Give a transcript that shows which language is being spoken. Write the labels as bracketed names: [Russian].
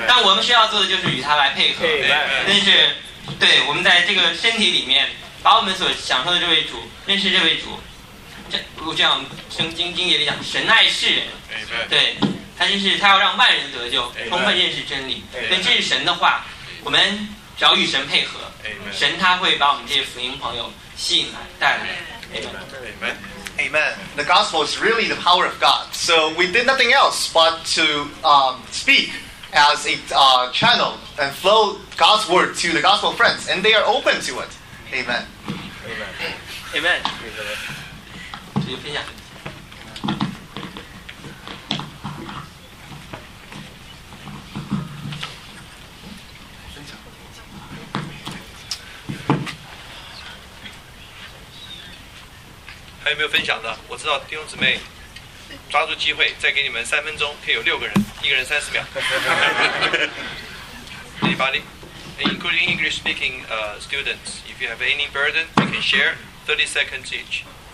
[Chinese] 但我们需要做的就是与他来配合。真是，对，我们在这个身体里面，把我们所享受的这位主，认识这位主，这样圣经经节里讲，神爱世人，对，他就是他要让万人得救，充分认识真理，所以这是神的话，我们只要与神配合，神他会把我们这些福音朋友吸引来带来。 [English] Amen. The gospel is really the power of God. So we did nothing else but to speak as a channel and flow God's word to the gospel friends, and they are open to it. Amen. Amen. Amen. [Chinese] 还有没有分享的？我知道弟兄姊妹抓住机会，再给你们三分钟，可以有六个人，一个人30秒。 [English] Anybody, including English speaking students, if you have any burden, you can share 30 seconds each.